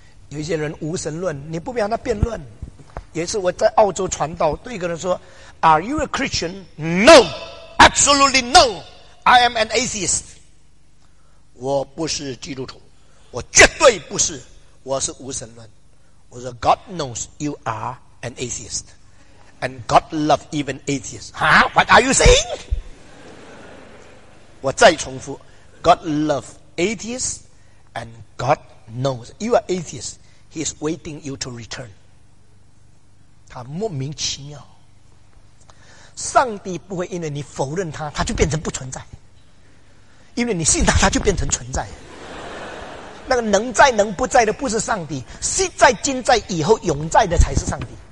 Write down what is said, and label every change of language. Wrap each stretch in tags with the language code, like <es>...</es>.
<zh>有一些人无神论，你不必让他辩论。也是我在澳洲传道，对一个人说 ：</zh> <en>“Are you a Christian? No, absolutely no. I am an atheist.</en> <zh>我不是基督徒，我绝对不是，我是无神论。我说</zh> <en>，God knows you are an atheist, and God loves even atheists. Huh? What are you saying?</en> <zh>我再重复</zh> <en>，God loves atheists, and God knows you are atheist. He is waiting you to return.”</en> <zh>他莫名其妙，上帝不会因为你否认他，他就变成不存在；因为你信他，他就变成存在。那个能在能不在的不是上帝，昔在今在以后永在的才是上帝。</zh>